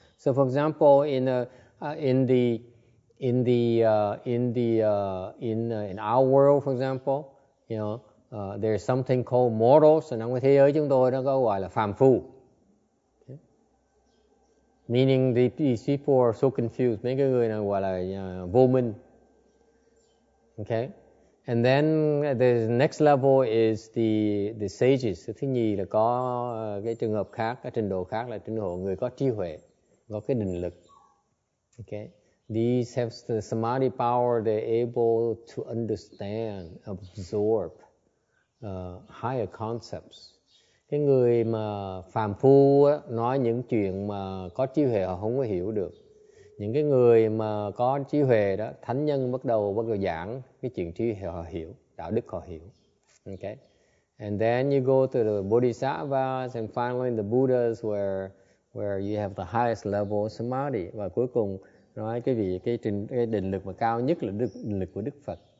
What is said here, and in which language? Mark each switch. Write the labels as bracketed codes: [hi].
[en] So for example, in our world, for example, there's something called mortals, and [vi] trong thế giới chúng tôi nó có gọi là phàm phu. [en] Okay. Meaning these people are so confused, [vi] mấy cái người này gọi là vô minh. [en] Okay. And then the next level is the sages. [vi] Thứ nhì là có cái trường hợp khác, cái trình độ khác là trình độ người có trí huệ, có cái định lực. [en] Okay. These have the samadhi power, they're able to understand, absorb higher concepts. [vi] Cái người mà phàm phu á, nói những chuyện mà có trí huệ họ không có hiểu được. Những cái người mà có trí huệ đó, thánh nhân bắt đầu giảng cái chuyện trí huệ họ hiểu, đạo đức họ hiểu. [en] Okay. And then you go to the bodhisattvas and finally the buddhas where you have the highest level of samadhi. [vi] Và cuối cùng nói cái vị cái định lực mà cao nhất là định lực của Đức Phật.